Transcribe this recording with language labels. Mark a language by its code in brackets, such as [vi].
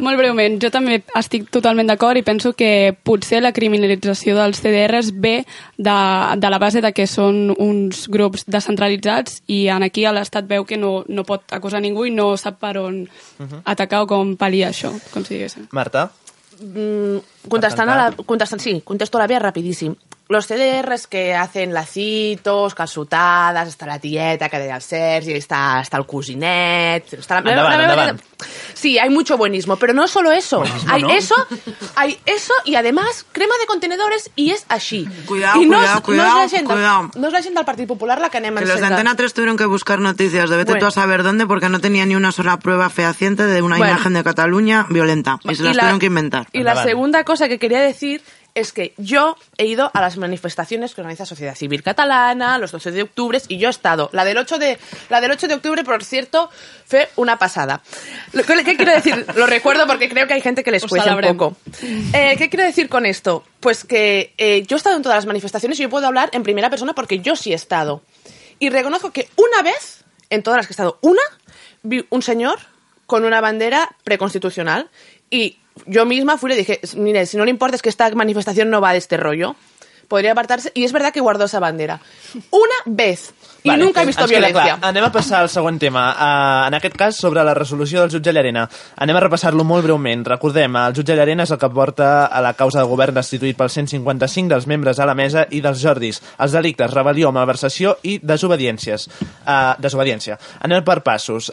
[ca] Molt breument, jo també estic totalment d'acord i penso que potser la criminalització dels CDRs ve de la base de que són uns grups descentralitzats i aquí l'Estat veu que no pot acusar ningú i no sap per on atacar o com pal·liar això, com si diguéssim. Marta? Contesto a la Bea rapidíssim. [es] Los CDRs que hacen lacitos, calçotades, [ca] està la tieta que deia el Sergi, està el cosinet... Endavant. [es] Sí, hay mucho buenismo, pero no solo eso. Buenismo, hay, ¿no? Eso, hay eso y además crema de contenedores y es así. Cuidado. No es la gente del Partit Popular la que anem que los de Antena 3 tuvieron que buscar noticias de vete tú a saber dónde porque no tenía ni una sola prueba fehaciente de una imagen de Cataluña violenta. Y se las tuvieron que inventar. Y la segunda cosa que quería decir es que yo he ido a las manifestaciones que organiza Sociedad Civil Catalana, los 12 de octubre, y yo he estado. La del 8 de octubre, por cierto, fue una pasada. ¿Qué quiero decir? Lo recuerdo porque creo que hay gente que les cuesta un poco. ¿Qué quiero decir con esto? Pues que yo he estado en todas las manifestaciones y yo puedo hablar en primera persona porque yo sí he estado. Y reconozco que una vez, en todas las que he estado, una, vi un señor con una bandera preconstitucional y yo misma fui y le dije, mire, si no le importa es que esta manifestación no va de este rollo. Podría apartarse. Y es verdad que guardó esa bandera. Una vez. Y vale, nunca he visto violencia. [ca] Anem a passar al següent tema. En aquest cas, sobre la resolució del jutge Llarena. Anem a repassar-lo molt breument. Recordem, el jutge Llarena és el que porta a la causa del govern destituït pel 155 dels membres a la mesa i dels Jordis. Els delictes, rebel·lió, malversació i desobediències. Desobediència. Anem per passos.